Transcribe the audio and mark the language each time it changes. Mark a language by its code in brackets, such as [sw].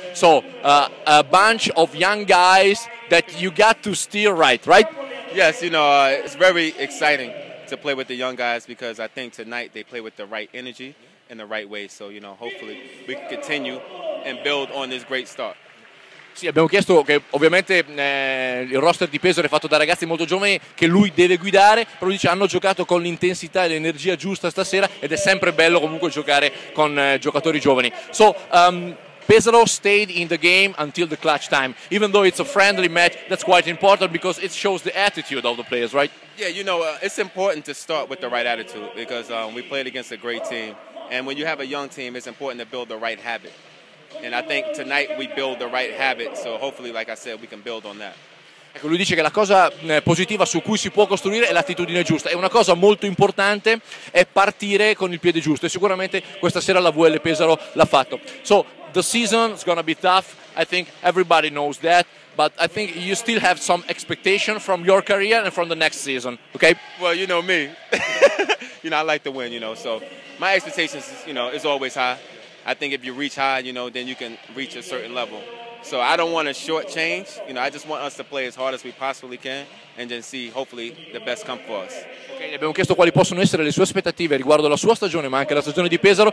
[en] So, a bunch of young guys that you got to steer right? Yes, you know, it's very exciting to play with the young guys because I think tonight they play with the right energy in the right way. So, you know, hopefully we can continue and build on this great start. [it] Sì, abbiamo chiesto che ovviamente il roster di Pesaro è fatto da ragazzi molto giovani che lui deve guidare, però dice hanno giocato con l'intensità e l'energia giusta stasera ed è sempre bello comunque giocare con giocatori giovani. [en] So, Pesaro stayed in the game until the clutch time. Even though it's a friendly match, that's quite important because it shows the attitude of the players, right? Yeah, you know, it's important to start with the right attitude because we played against a great team. And when you have a young team, it's important to build the right habit. And I think tonight we build the right habit, so hopefully, like I said, we can build on that. [it] Ecco, lui dice che la cosa positiva su cui si può costruire è l'attitudine giusta. E una cosa molto importante è partire con il piede giusto. E sicuramente questa sera la VL Pesaro l'ha fatto. [en] So, the season is going to be tough. I think everybody knows that. But I think you still have some expectation from your career and from the next season, okay? Well, you know me. You know, I like to win, you know. So, my expectations, you know, is always high. I think if you reach high, you know, then you can reach a certain level. So I don't want a short change. You know, I just want us to play as hard as we possibly can and then see, hopefully, the best come for us. [it] Okay, abbiamo chiesto quali possono essere le sue aspettative riguardo la sua stagione, ma anche la stagione di Pesaro.